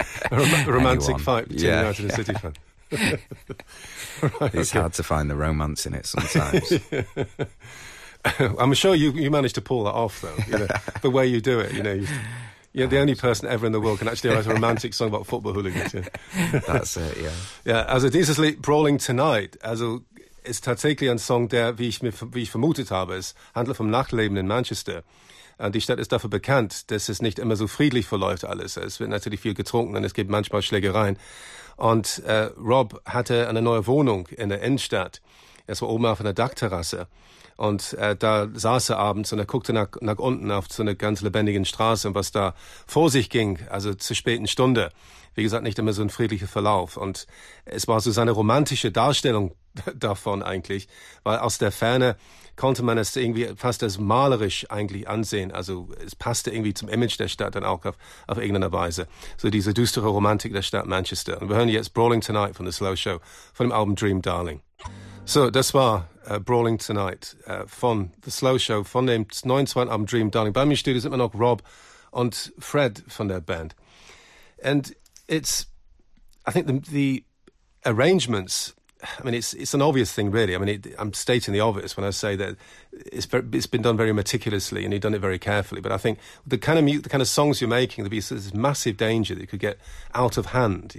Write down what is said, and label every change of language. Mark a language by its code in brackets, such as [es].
[en] romantic Anyone. Fight between United and City fans. Right, it's hard to find the romance in it sometimes. I'm sure you managed to pull that off, though. You know, the way you do it, you know, you're the only person ever in the world can actually write a romantic song about football hooligans. That's it, yeah. [de] Yeah, also dieses Lied Brawling Tonight, also ist tatsächlich ein Song, der, wie ich vermutet habe, es handelt vom Nachtleben in Manchester. Die Stadt ist dafür bekannt, dass es nicht immer so friedlich verläuft alles. Es wird natürlich viel getrunken und es gibt manchmal Schlägereien. Und Rob hatte eine neue Wohnung in der Innenstadt. Es war oben auf einer Dachterrasse. Und da saß er abends und er guckte nach unten auf so eine ganz lebendigen Straße und was da vor sich ging, also zur späten Stunde. Wie gesagt, nicht immer so ein friedlicher Verlauf. Und es war so seine romantische Darstellung davon eigentlich, weil aus der Ferne konnte man es irgendwie fast als malerisch eigentlich ansehen. Also es passte irgendwie zum Image der Stadt dann auch auf irgendeine Weise. So diese düstere Romantik der Stadt Manchester. Und wir hören jetzt Brawling Tonight von The Slow Show, von dem Album Dream Darling. So, das war Brawling Tonight von The Slow Show, von dem 9-2 Album Dream Darling. Bei mir im Studio sind immer noch Rob und Fred von der Band. [en] And it's, I think the arrangements, I mean, it's an obvious thing, really. I mean, I'm stating the obvious when I say that it's been done very meticulously and you've done it very carefully. But I think the kind of songs you're making, there'd be this massive danger that you could get out of hand.